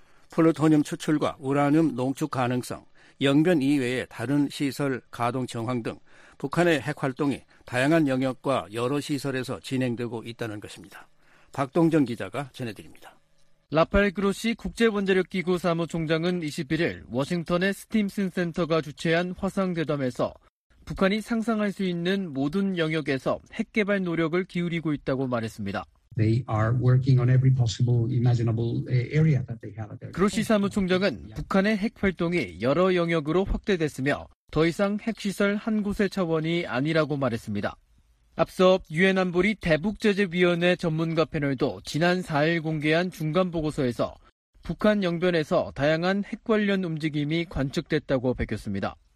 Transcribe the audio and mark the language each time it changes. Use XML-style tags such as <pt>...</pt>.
<ko>플루토늄 추출과 우라늄 농축 가능성, 영변 이외의 다른 시설 가동 정황 등 북한의 핵활동이 다양한 영역과 여러 시설에서 진행되고 있다는 것입니다. 박동정 기자가 전해드립니다. 라파엘 그로시 국제원자력기구 사무총장은 21일 워싱턴의 스팀슨 센터가 주최한 화상대담에서 북한이 상상할 수 있는 모든 영역에서 핵 개발 노력을 기울이고 있다고 말했습니다.</ko> <en>They are working on every possible imaginable area that they have.</en> <ko>그로시 사무총장은 북한의 핵 활동이 여러 영역으로 확대됐으며 더 이상 핵시설 한 곳의 차원이 아니라고 말했습니다. 앞서 유엔 안보리 대북제재위원회 전문가 패널도 지난 4일 공개한 중간 보고서에서 북한 영변에서 다양한 핵 관련 움직임이 관측됐다고 밝혔습니다.</ko>